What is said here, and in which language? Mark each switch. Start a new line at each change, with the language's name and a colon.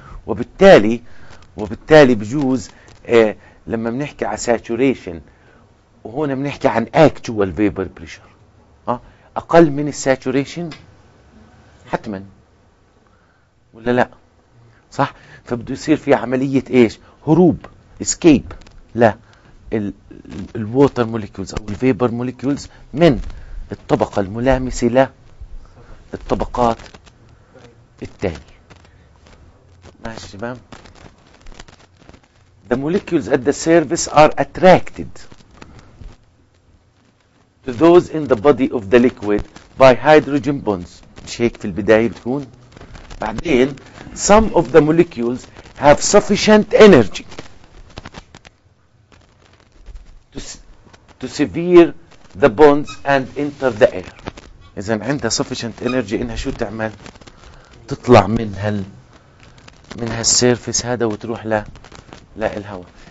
Arabic: وبالتالي بجوز لما بنحكي على ساتوريشن، وهنا بنحكي عن اكتوال فيبر بريشر، اقل من الساتوريشن حتما ولا لا؟ صح، فبده يصير في عمليه ايش؟ هروب، اسكيب لا الووتر موليكولز او الفيبر موليكولز من الطبقه الملامسه لا الطبقات الثانيه. ماشي شباب؟
English: The molecules at the surface are attracted to those in the body of the liquid by hydrogen bonds.
Arabic: مش هيك في البداية بتكون؟ بعدين
English: some of the molecules have sufficient energy to sever the bonds and enter the air.
Arabic: إذا عندها
English: sufficient energy
Arabic: إنها شو تعمل؟ تطلع من هال surface هذا وتروح له لا الهواء.